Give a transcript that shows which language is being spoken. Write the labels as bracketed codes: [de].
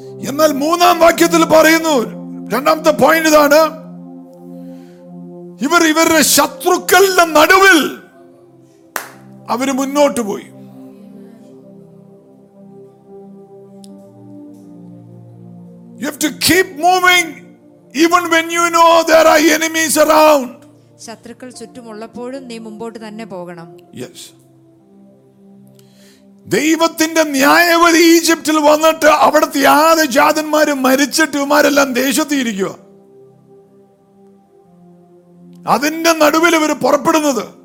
[ml] എന്നാൽ മൂന്നാം വാക്യത്തിൽ പറയുന്നു, രണ്ടാമത്തെ പോയിന്റ് ഇതാണ്, ഇവർ ഇവരുടെ ശത്രുക്കളുടെ നടുവിൽ അവര് മുന്നോട്ട് പോയി. [en] You have to keep moving even when you know there are enemies around. [ml] ശത്രുക്കൾ ചുറ്റുമുള്ളപ്പോഴും നീ മുമ്പോട്ട് തന്നെ പോകണം. [en] Yes. [ml] ദൈവത്തിന്റെ ന്യായവിധി ഈജിപ്തിൽ വന്നിട്ട് അവിടുത്തെ യാതൊരു ജാതന്മാരും മരിച്ചിട്ട് ഇവന്മാരെല്ലാം ദേശത്തി ഇരിക്കുക, അതിന്റെ നടുവിൽ ഇവർ പുറപ്പെടുന്നത്.